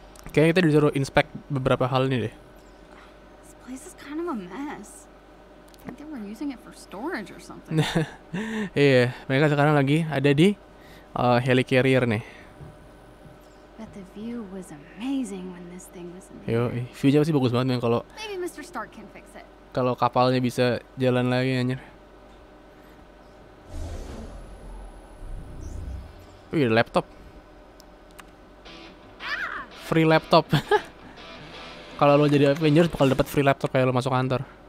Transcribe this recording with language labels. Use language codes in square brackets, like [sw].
[id] Kayaknya kita disuruh inspect beberapa hal ini deh. [en] This place is kind of a mess. I think they were using it for storage or something. [id] Yeah, mereka sekarang lagi ada di helicarrier nih. [en] But the view was amazing when this thing was in the air. [id] Yo, view-nya pasti bagus banget kalau. [en] Maybe Mr. Stark can fix it. [id] Kalau kapalnya bisa jalan lagi anjir. Wih, laptop. [en] Free laptop. [id] Kalau lo jadi Avengers bakal dapat free laptop kayak lo masuk kantor.